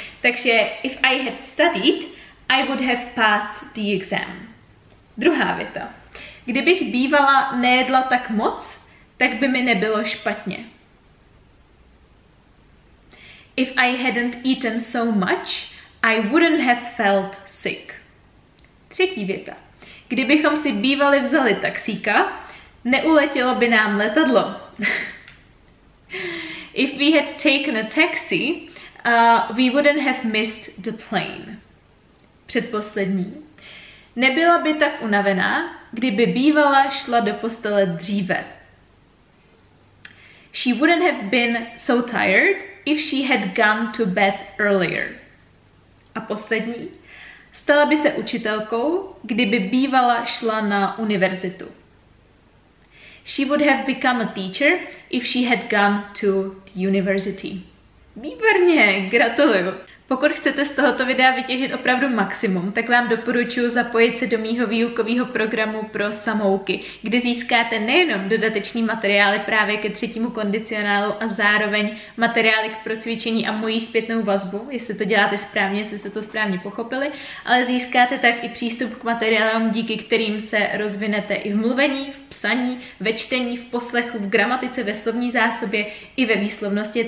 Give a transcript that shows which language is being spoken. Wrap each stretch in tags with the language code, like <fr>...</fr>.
<cs>Takže</cs> <en>if I had studied, I would have passed the exam.</en> <cs>Druhá věta. Kdybych bývala nejedla tak moc, tak by mi nebylo špatně.</cs> <en>If I hadn't eaten so much, I wouldn't have felt sick.</en> <cs>Třetí věta. Kdybychom si bývali vzali taxíka, neuletělo by nám letadlo.</cs> <en>If we had taken a taxi, we wouldn't have missed the plane.</en> <cs>Předposlední. Nebyla by tak unavená, kdyby bývala šla do postele dříve.</cs> <en>She wouldn't have been so tired if she had gone to bed earlier.</en> <cs>A poslední. Stala by se učitelkou, kdyby bývala šla na univerzitu.</cs> <en>She would have become a teacher if she had gone to the university.</en> <cs>Výborně, gratuluju. Pokud chcete z tohoto videa vytěžit opravdu maximum, tak vám doporučuji zapojit se do mýho výukového programu pro samouky, kde získáte nejenom dodateční materiály právě ke třetímu kondicionálu a zároveň materiály k procvičení a mojí zpětnou vazbu, jestli to děláte správně, jestli jste to správně pochopili, ale získáte tak i přístup k materiálům, díky kterým se rozvinete i v mluvení, v psaní, ve čtení, v poslechu, v gramatice, ve slovní zásobě i ve výslovnosti.</cs>